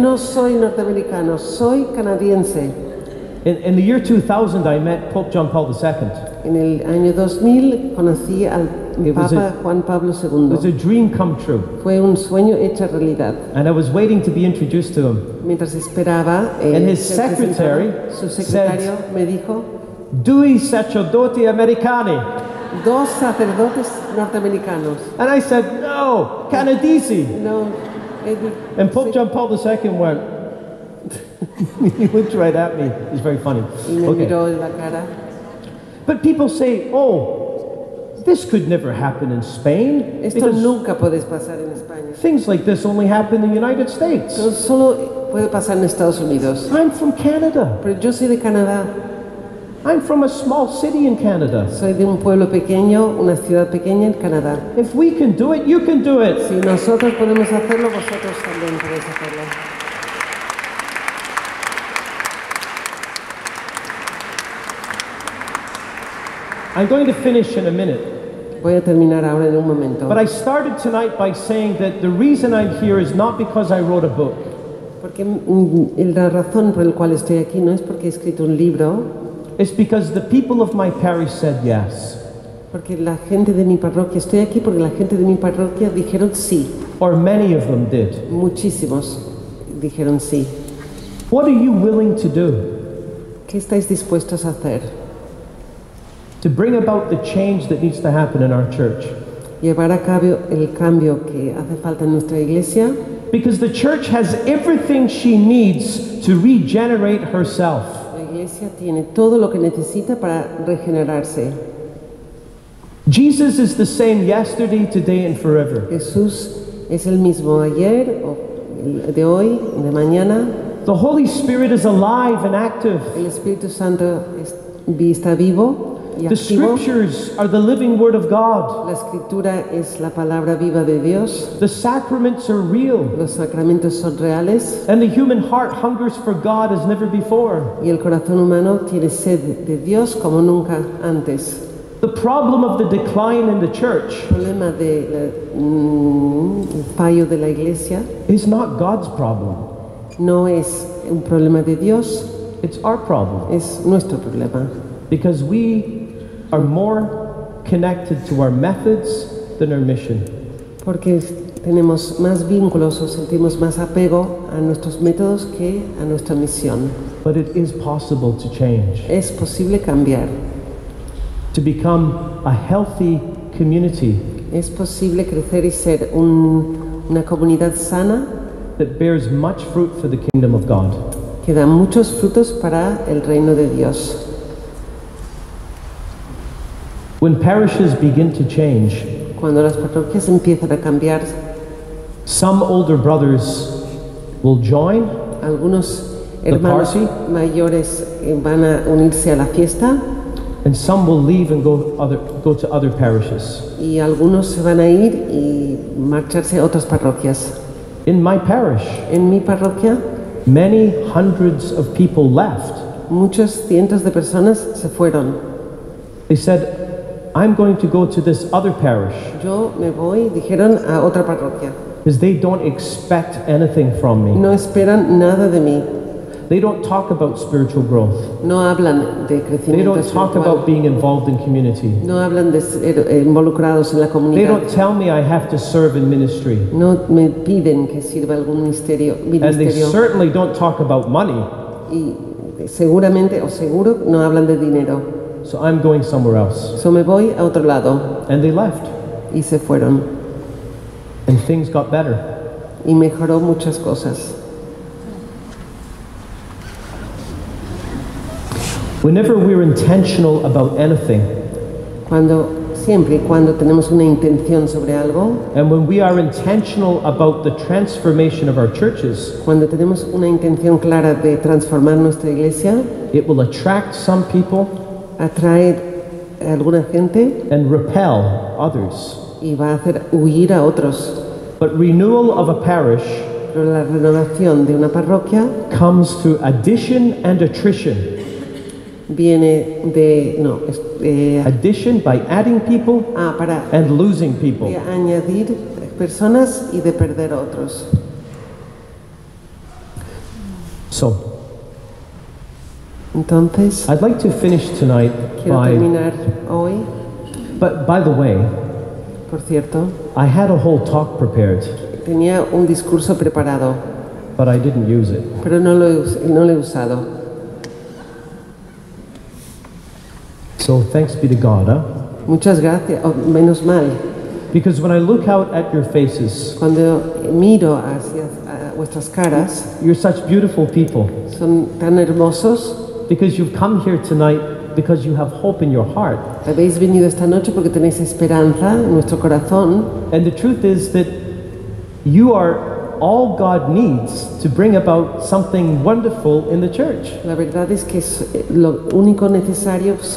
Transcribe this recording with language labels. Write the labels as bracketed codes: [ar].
[es] No soy norteamericano, soy canadiense. [en] In the year 2000, I met Pope John Paul II. [es] En el año 2000, conocí al Juan Pablo II. [en] It was a dream come true. [es] Fue un sueño hecho realidad. [en] And I was waiting to be introduced to him. [es] Mientras esperaba, [en] and his secretary, [es] su secretario, [en] said, [es] me dijo, [it] "Due sacerdoti americani." [es] Dos sacerdotes norteamericanos. [en] And I said, "No, canadisi." [es] No. [en] And Pope John Paul II went. He looked right at me. He's very funny. Okay. But people say, "Oh, this could never happen in Spain." [es] Esto nunca puede pasar en España. [en] Things like this only happen in the United States. [es] Solo puede pasar en Estados Unidos. [en] I'm from Canada. [es] Pero yo soy de Canadá. [en] I'm from a small city in Canada. [es] Soy de un pueblo pequeño, una ciudad pequeña en Canadá. [en] If we can do it, you can do it. [es] Si nosotros podemos hacerlo, vosotros también podéis hacerlo. [en] I'm going to finish in a minute. [es] Voy a terminar ahora en un momento. [en] But I started tonight by saying that the reason I'm here is not because I wrote a book. [es] Porque la razón por la cual estoy aquí no es porque he escrito un libro. [en] It's because the people of my parish said yes. [es] Porque la gente de mi parroquia, estoy aquí porque la gente de mi parroquia dijeron sí. [en] Or many of them did. [es] Muchísimos dijeron sí. [en] What are you willing to do? [es] ¿Qué estáis dispuestos a hacer? [en] To bring about the change that needs to happen in our church. [es] Llevar a cabo el cambio que hace falta en nuestra iglesia. [en] Because the church has everything she needs to regenerate herself. [es] La iglesia tiene todo lo que necesita para regenerarse. [en] Jesus is the same yesterday, today, and forever. [es] Jesús es el mismo ayer, de hoy, de mañana. [en] The Holy Spirit is alive and active. [es] El Espíritu Santo está vivo. [en] The scriptures are the living word of God. [es] La escritura es la palabra viva de Dios. [en] The sacraments are real. [es] Los sacramentos son reales. [en] And the human heart hungers for God as never before. [es] Y el corazón humano tiene sed de Dios como nunca antes. [en] The problem of the decline in the church. [es] El problema de el fallo de la iglesia. [en] Is not God's problem. [es] No es un problema de Dios. [en] It's our problem. [es] Es nuestro problema. [en] Because we are more connected to our methods than our mission. [es] Porque tenemos más vínculos o sentimos más apego a nuestros métodos que a nuestra misión. [en] But it is possible to change. [es] Es posible cambiar. [en] To become a healthy community. [es] Es posible crecer y ser una comunidad sana. [en] That bears much fruit for the kingdom of God. [es] Que da muchos frutos para el reino de Dios. [en] When parishes begin to change, [es] cuando las parroquias empiezan a cambiar, [en] some older brothers will join. [es] Algunos hermanos mayores van a unirse a la fiesta. [en] And some will leave and go to other parishes. [es] Y algunos se van a ir y marcharse a otras parroquias. [en] In my parish, [es] en mi parroquia, [en] many hundreds of people left. [es] Muchos cientos de personas se fueron. [en] They said, "I'm going to go to this other parish." [es] Yo me voy, dijeron, a otra parroquia. [en] Because they don't expect anything from me. [es] No esperan nada de mí. [en] They don't talk about spiritual growth. [es] No hablan de crecimiento. [en] They don't [es] espiritual. [en] Talk about being involved in community. [es] No hablan de ser involucrados en la comunidad. [en] They don't tell me I have to serve in ministry. [es] No me piden que sirva algún ministerio. [en] And they certainly don't talk about money. [es] Y seguramente o seguro no hablan de dinero. [en] So I'm going somewhere else. [es] So me voy a otro lado. [en] And they left. [es] Y se fueron. [en] And things got better. [es] Y mejoró muchas cosas. [en] Whenever we're intentional about anything. [es] Cuando tenemos una intención sobre algo. [en] And when we are intentional about the transformation of our churches. [es] Cuando tenemos una intención clara de transformar nuestra iglesia. [en] It will attract some people. [es] Atraer a alguna gente [en] and repel others. [es] Y va a hacer huir a otros. [en] But renewal of a parish, [es] pero la renovación de una parroquia, [en] comes through addition and attrition. [es] Viene de [en] addition by adding people and losing people. [es] De añadir personas y de perder a otros. [en] So. [es] Entonces, [en] I'd like to finish tonight by [es] terminar hoy. [en] But by the way, [es] Por cierto, [en] I had a whole talk prepared. [es] Tenía un discurso preparado. [en] But I didn't use it. [es] Pero no lo he usado. [en] So thanks be to God, huh? [es] Muchas gracias, menos mal. [en] Because when I look out at your faces, [es] cuando miro hacia vuestras caras, [en] you're such beautiful people. [es] Son tan hermosos. [en] Because you've come here tonight because you have hope in your heart. [es] Habéis venido esta noche porque tenéis esperanza en vuestro corazón. [en] And the truth is that you are all God needs to bring about something wonderful in the church. [es] La verdad es que sois lo único necesario.